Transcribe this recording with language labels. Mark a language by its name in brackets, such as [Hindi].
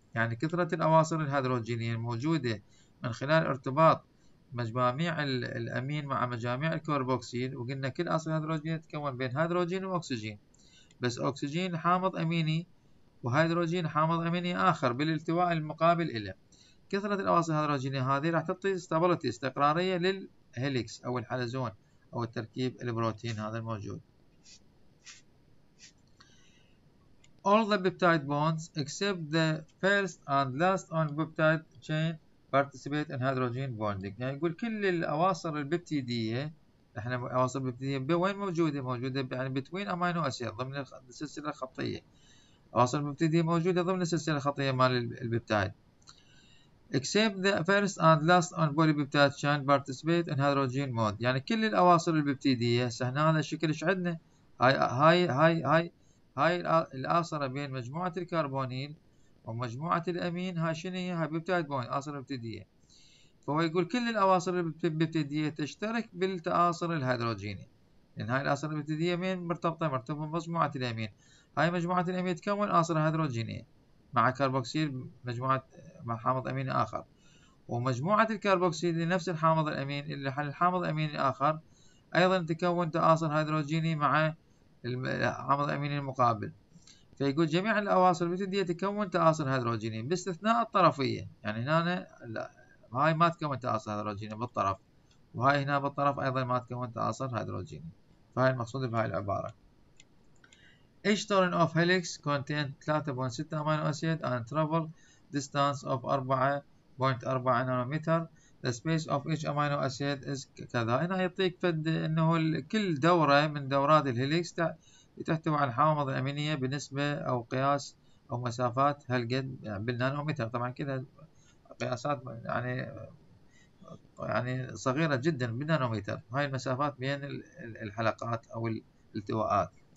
[Arabic] يعني كثرة الأواصر الهيدروجينية الموجودة من خلال ارتباط مجاميع الأمين مع مجاميع الكربوكسيل، وقلنا كل أصل هيدروجين يتكون بين هيدروجين وأكسجين، بس أكسجين حامض أميني وهيدروجين حامض أميني آخر بالالتواء المقابل إله. كثرة الأواصر الهيدروجينية هذه راح تعطي استابلتي استقرارية للهيليكس أو الحلزون أو التركيب البروتين هذا الموجود. [English] All the peptide bonds except the first and last on peptide chain participate in hydrogen bonding. [Arabic] يعني يقول كل الأواصر البيبتيدية، إحنا أواصر بيبتيدية وين موجودة؟ موجودة يعني [English] between amino acid [Arabic] ضمن السلسلة الخطية. أواصر بيبتيدية موجودة ضمن السلسلة الخطية مال البيبتايد. [English] Except the first and last on polypeptide chain participate in hydrogen bond. [Arabic] يعني كل الأواصر البيبتيدية، هسه هنا هذا الشكل ايش عندنا؟ هاي الآصرة بين مجموعة الكربونيل ومجموعة الأمين، هاي شنو هي؟ هاي بيبتايد بوينت، آصرة بيبتيدية. فهو يقول كل الأواصر البيبتيدية تشترك بالتآصر الهيدروجيني، لأن هاي الآصرة البيبتيدية مين مرتبطة؟ مرتبطة بمجموعة الأمين. هاي مجموعة الأمين تكون آصرة هيدروجينية مع كربوكسيل مجموعة مع حامض أمين آخر، ومجموعة الكربوكسيل لنفس الحامض الأمين اللي حل الحامض الأمين الآخر أيضا تكون تآصر هيدروجيني مع الحامض الأمين المقابل. فيقول جميع الأواصر البيبتيدية تكون تآصر هيدروجيني باستثناء الطرفية، يعني هنا هاي ما تكون تآصر هيدروجيني بالطرف، وهاي هنا بالطرف أيضا ما تكون تآصر هيدروجيني. فهاي المقصود بهاي العبارة. [English] Each turn of helix contains 3.6 amino acid and travel distance of 4.4 nanometer. The space of each amino acid is كذا. [Arabic] هنا يعطيك فد إنه كل دورة من دورات الهيليكس تحتوي على الحامض الأمينية بنسبة أو قياس أو مسافات هالقد بالنانومتر. طبعا كده قياسات يعني صغيرة جدا بالنانومتر، هاي المسافات بين الحلقات أو الالتواءات.